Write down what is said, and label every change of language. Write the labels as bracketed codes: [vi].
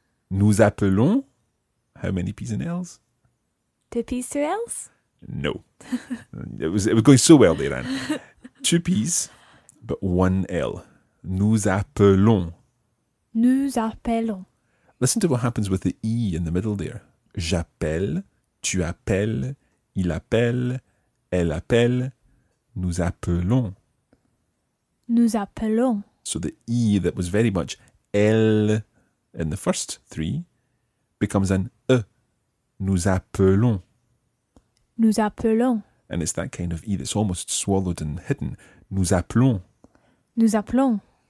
[fr] Nous appelons. [en] How many P's and L's? Two P's, two L's? No. It was going so well there, Anne. Two P's, but one L. [fr] Nous appelons. Nous appelons. [en] Listen to what happens with the E in the middle there. [fr] J'appelle, tu appelles, il appelle, elle appelle, nous appelons. Nous appelons. [en] So the E that was very much L in the first three becomes an E. [fr] Nous appelons. Nous appelons. [en] And it's that kind of E that's almost swallowed and hidden. [fr] Nous appelons. Nous appelons.